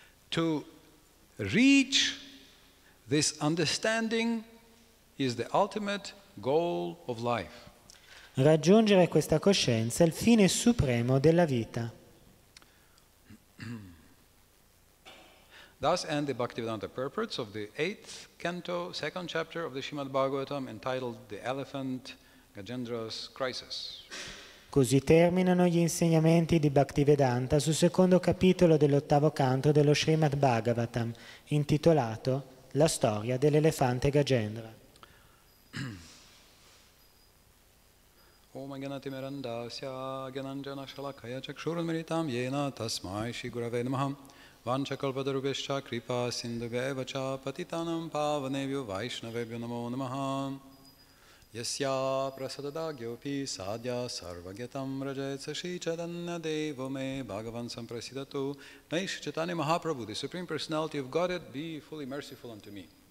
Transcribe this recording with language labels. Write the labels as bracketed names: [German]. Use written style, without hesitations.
[English] To reach this understanding is the ultimate goal of life. [Italian] Raggiungere questa coscienza è il fine supremo della vita. [English] Thus end the Bhaktivedanta purports of the 8th canto, 2nd chapter of the Srimad Bhagavatam, entitled The Elephant Gajendra's Crisis. [Italian] Così terminano gli insegnamenti di Bhaktivedanta sul secondo capitolo dell'ottavo canto dello Srimad Bhagavatam, intitolato La storia dell'elefante Gajendra. [Sanskrit] Om Agnati Mirandasya Agnanjana Shalakaya Chakshurun Miritam Yena Tasmai Shigurave Namaha Vancha Kalpadarubhyascha Kripa Sindhubhyevacha Patitanam Pavanevyo Vaishnavebhyo Namo Namaha Yasya prasadada gyopi sadhya sarvagyatam rajayatsa shi chadanya devo me bhagavan samprasidatu Naishi Chaitanya Mahaprabhu, [English] the Supreme Personality of Godhead, be fully merciful unto me.